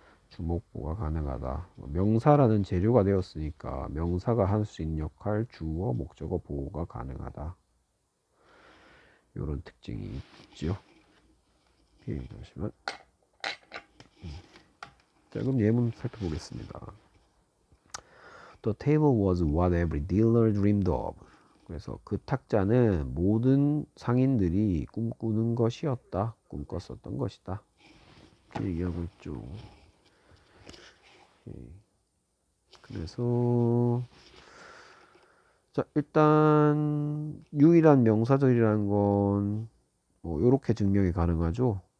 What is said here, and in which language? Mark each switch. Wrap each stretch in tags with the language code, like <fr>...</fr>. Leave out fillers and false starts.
<ko>주목보가 가능하다. 명사라는 재료가 되었으니까 명사가 할수 있는 역할, 주어, 목적어, 보호가 가능하다. 이런 특징이 있죠. 오케이, 잠시만. 자, 그럼 예문 살펴보겠습니다.</ko> <en>The table was what every dealer dreamed of.</en> <ko>그래서 그 탁자는 모든 상인들이 꿈꾸는 것이었다. 꿈꿨었던 것이다. 이렇게 얘기하고 있죠. 그래서 자 일단 유일한 명사절이라는 건뭐 이렇게 증명이 가능하죠.</ko>